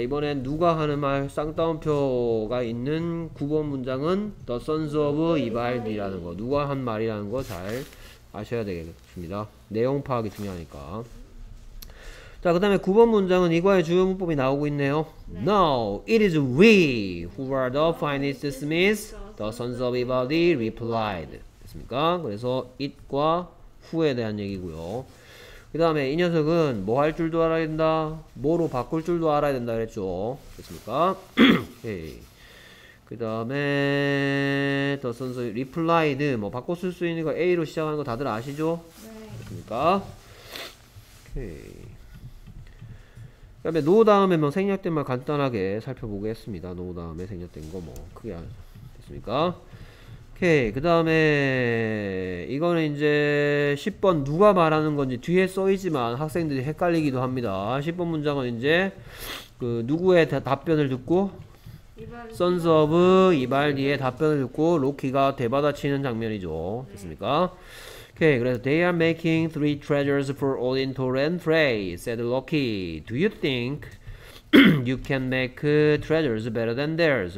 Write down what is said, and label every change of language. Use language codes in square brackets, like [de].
[ko] 이번엔 누가 하는 말, 쌍따옴표가 있는 9번 문장은 The Sons of Ivaldi라는 거, 누가 한 말이라는 거 잘 아셔야 되겠습니다. 내용 파악이 중요하니까. 자, 그 다음에 9번 문장은 이과의 주요 문법이 나오고 있네요. 네. [en] No, it is we who are the finest smiths, the sons of Ivaldi replied. [ko] 됐습니까? 그래서 it과 who에 대한 얘기고요. 그 다음에 이 녀석은 뭐 할 줄도 알아야 된다, 뭐로 바꿀 줄도 알아야 된다 그랬죠. 됐습니까? 그 다음에 [en] the sons of replied, [ko] 뭐 바꿔 쓸 수 있는 거 A로 시작하는 거 다들 아시죠? 됐습니까? 오케이. 그 다음에 no 다음에 뭐 생략된 말 간단하게 살펴보겠습니다. no 다음에 생략된 거 뭐 크게 됐습니까? 오케이, 그 다음에 이거는 이제 10번 누가 말하는 건지 뒤에 써있지만 학생들이 헷갈리기도 합니다. 10번 문장은 이제 그 누구의 답변을 듣고 선스 오브 이발디의 답변을 듣고 로키가 대받아치는 장면이죠. 됐습니까? 오케이, [en] okay, 그래서 They are making three treasures for Odin, Thor, and Frey, said Loki. Do you think you can make treasures better than theirs?